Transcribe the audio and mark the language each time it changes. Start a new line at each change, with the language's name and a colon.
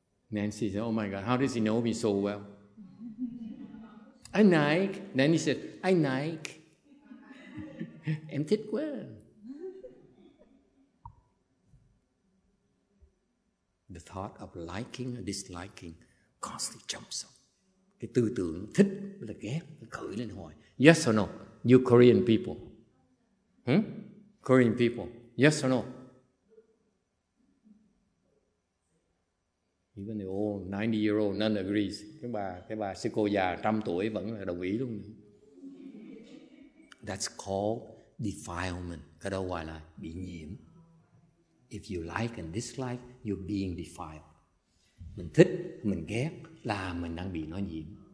English: Nancy said, oh my God, how does he know me so well? Anh Nike. Nancy said,
Vietnamese: anh Nike. Em thích quá.
English: The thought of liking or disliking constantly jumps up.
Vietnamese: Cái tư tưởng thích là ghét, khởi lên hồi.
English: Yes or no? You Korean people. Korean people. Yes or no? Even the old 90-year-old nun agrees.
Vietnamese: Cái bà sư cô già trăm tuổi vẫn là đồng ý luôn.
English: That's called defilement.
Vietnamese: Cái đó gọi là bị nhiễm.
English: If you like and dislike, you're being defiled.
Vietnamese: Mình thích, mình ghét là mình đang bị nó nhiễm.